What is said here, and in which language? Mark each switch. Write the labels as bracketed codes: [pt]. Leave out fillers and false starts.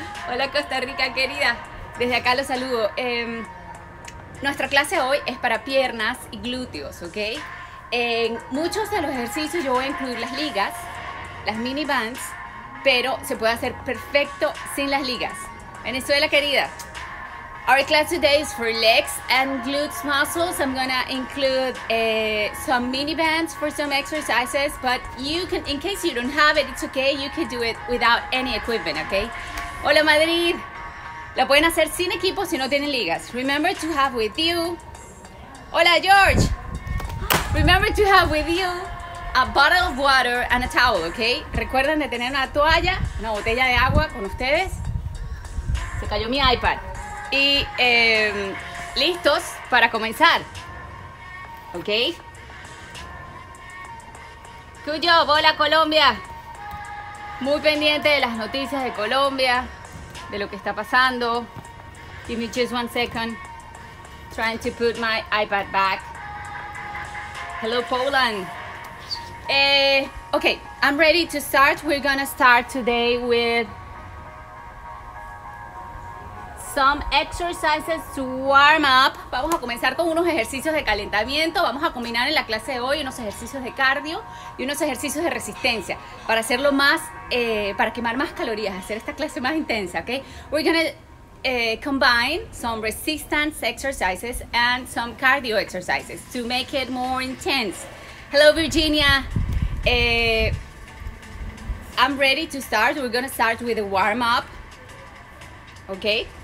[es] Hola, Costa Rica, querida. Desde acá los saludo. Nuestra clase hoy es para piernas y glúteos, ¿ok? En muchos de los ejercicios yo voy a incluir las ligas, las mini bands, pero se puede hacer perfecto sin las ligas. Venezuela, querida. [en] Our class today is for legs and glutes muscles. I'm gonna include some mini bands for some exercises, but you can, in case you don't have it, it's okay. You can do it without any equipment, ¿ok? Hola, Madrid. [es] La pueden hacer sin equipo si no tienen ligas. [en] Remember to have with you. Hola, George. Remember to have with you a bottle of water and a towel, ¿ok? [es] Recuerden de tener una toalla, una botella de agua con ustedes. Se cayó mi iPad. Y listos para comenzar. ¿Ok? [en] Good job. Hola, Colombia. [es] Muy pendiente de las noticias de Colombia, de lo que está pasando. [en] Give me just one second. Trying to put my iPad back. Hello, Poland. Okay, I'm ready to start. We're gonna start today with some exercises to warm up. [es] Vamos a comenzar con unos ejercicios de calentamiento. Vamos a combinar en la clase de hoy unos ejercicios de cardio y unos ejercicios de resistencia para hacerlo más, para quemar más calorías, hacer esta clase más intensa, ¿ok? [en] We're gonna combine some resistance exercises and some cardio exercises to make it more intense. Hello, Virginia. I'm ready to start. We're gonna start with a warm up. Okay.